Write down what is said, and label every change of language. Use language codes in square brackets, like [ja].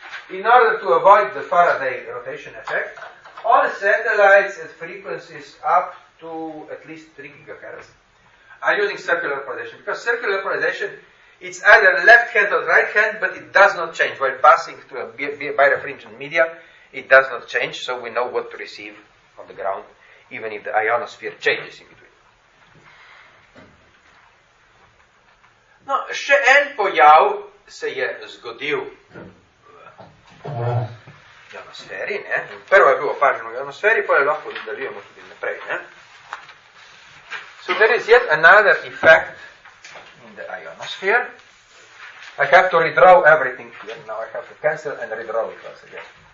[en] In order to avoid the Faraday rotation effect, all satellites at frequencies up to at least 3 GHz are using circular polarization, because circular polarization, it's either left hand or right hand, but it does not change. While passing to a birefringent media, it does not change, so we know what to receive on the ground, even if the ionosphere changes in between. [sl] No, še en pojav se je zgodil. Ionosferi, ne? Prvo je bilo opaženo v ionosferi, pa je lahko nadaljujemo tudi naprej. Ne? [en] So there is yet another effect in the ionosphere. I have to redraw everything here. Now I have to cancel and redraw it once again.